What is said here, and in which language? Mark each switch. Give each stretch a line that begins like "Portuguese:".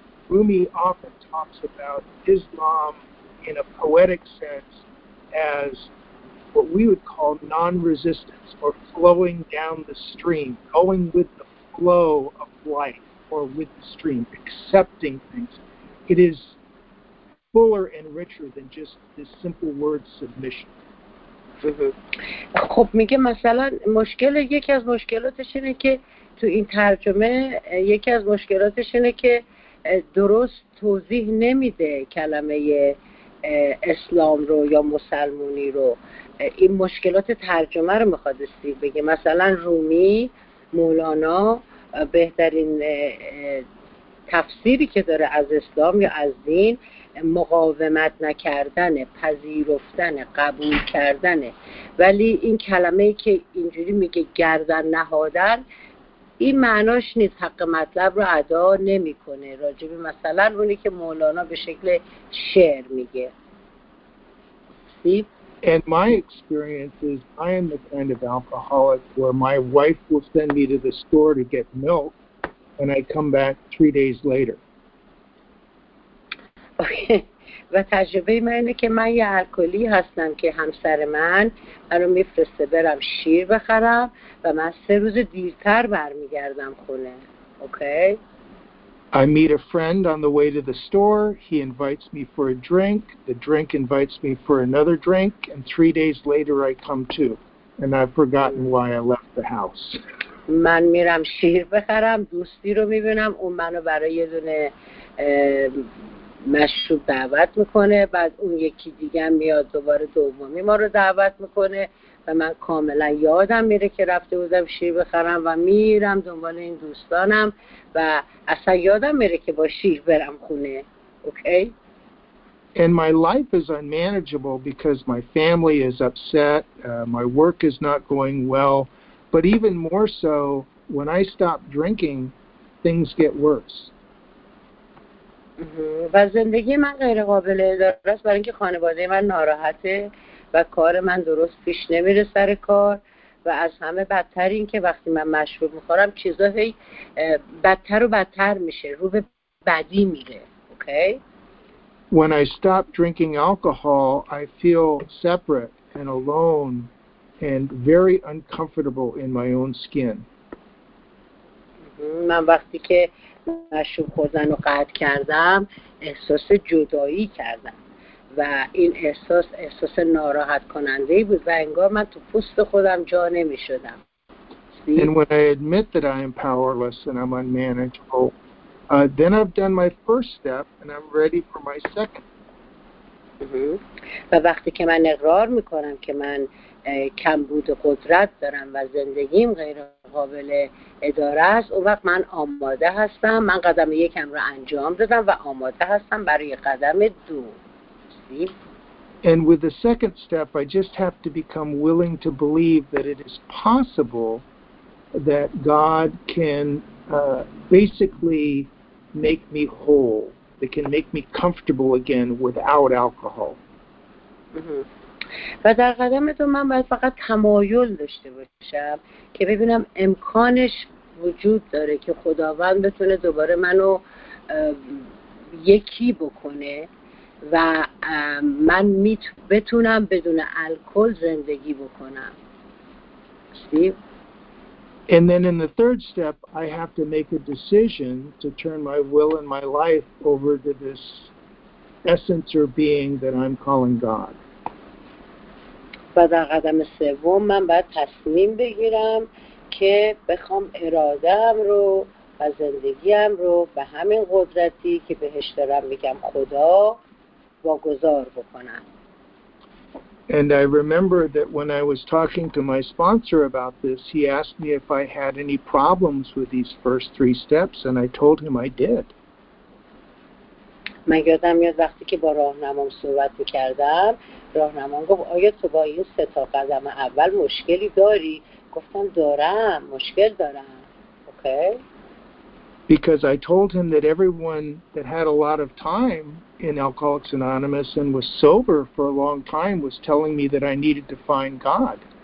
English: Rumi often talks about Islam in a poetic sense as what we would call non-resistance, or flowing down the stream, going with the flow of life, or with the stream, accepting things. It is fuller and richer than just this simple word submission.
Persian: خب میگه مثلا مشکل یکی از مشکلاتش اینه که تو این ترجمه یکی از مشکلاتش اینه که درست توضیح نمیده کلمه اسلام رو یا مسلمونی رو. این مشکلات ترجمه رو میخواد استی بگه. مثلا رومی مولانا بهترین تفسیری که داره از اسلام یا از دین مقاومت نکردن، پذیرفتن، قبول کردن. ولی این کلمه که اینجوری میگه گردن نهادن، این معناش نیست، حق مطلب رو ادا نمیکنه راجبی مثلا اونی که مولانا به شکل شعر میگه.
English: And my experience is I am the kind of alcoholic where my wife will send me to the store to get milk and I come back 3 days later.
Persian: و تجربه من اینه که من یه الکلی هستم که همسر من رو میفرسته برم شیر بخرم و من 3 روز دیرتر برمیگردم خونه.
English: Okay? I meet a friend on the way to the store. He invites me for a drink. The drink invites me for another drink. And 3 days later, I come too. And I've forgotten why I left the house.
Persian: من میرم شیر بخرم. دوستی رو میبینم. اون منو برای یه دونه مشروب دعوت میکنه. بعد اون یکی دیگه میاد دوباره دومی ما رو دعوت میکنه. و من کاملا یادم میره که رفته بودم شیر بخرم و میرم دنبال این دوستانم. و اصلا یادم میره که با شیر برم خونه.
English: Okay? And my life is unmanageable because my family is upset, my work is not going well, but even more so, when I stop drinking, things get worse.
Persian: و زندگی من غیر قابل اداره است برای اینکه خانواده من ناراحته و کار من درست پیش نمیره سر کار. و از همه بدتر این که وقتی من مشروب میخورم چیزا هی بدتر و بدتر میشه، رو به بدی میره.
English: Okay? When I stop drinking alcohol, I feel separate and alone and very uncomfortable in my own skin.
Persian: من وقتی که مشروب خوردن و قطع کردم احساس جدایی کردم و این احساس ناراحت کننده ای بود و انگار من تو پوست خودم جا نمی شدم.
English: And when I admit that I am powerless and I'm unmanageable, then I've done my first step and I'm ready for my second.
Persian: و وقتی که من اقرار می کنم که من کمبود قدرت دارم و زندگیم غیر قابل اداره است، اون وقت من آماده هستم، من قدم یکم رو انجام دادم و آماده هستم برای قدم دو.
English: And with the second step, I just have to become willing to believe that it is possible that God can basically make me whole. That can make me comfortable again without alcohol.
Persian: و در قدم تو من باید فقط تمایل داشته باشم که ببینم امکانش وجود داره که خداوند بتونه دوباره منو یکی بکنه و من بتونم بدون الکل زندگی بکنم.
English: And then in the third step, I have to make a decision to turn my will and my life over to this essence or being that I'm calling God.
Persian: و در قدم سوم من باید تصمیم بگیرم که بخوام اراده‌ام رو و زندگی‌ام رو به همین قدرتی که بهش دارم میگم خدا واگذار بکنم.
English: And I remember that when I was talking to my sponsor about this, he asked me if I had any problems with these first three steps, and I told him I did.
Persian: من یادم میاد وقتی که با راهنمام صحبت می‌کردم، راهنمان گفت آیا تو با این سه تا قدم اول مشکلی داری؟ گفتم دارم، مشکل دارم.
English: Okay? Because I told him that everyone that had a lot of time in Alcoholics Anonymous and was sober for a long time was telling me that I needed to find God.